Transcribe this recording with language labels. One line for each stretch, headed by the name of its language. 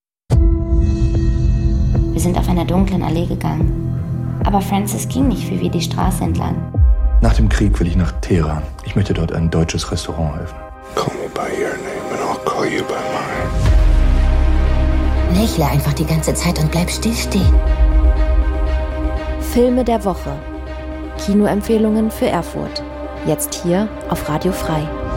German: sind auf einer dunklen Allee gegangen. Aber Francis ging nicht für wir die Straße entlang. Nach dem Krieg will ich nach Teheran. Ich möchte dort ein deutsches Restaurant eröffnen.
English: Call me by your name and I'll call you by mine.
German: Lächle einfach die ganze Zeit und bleib stillstehen. Filme der Woche. Kinoempfehlungen für Erfurt. Jetzt hier auf Radio Frei.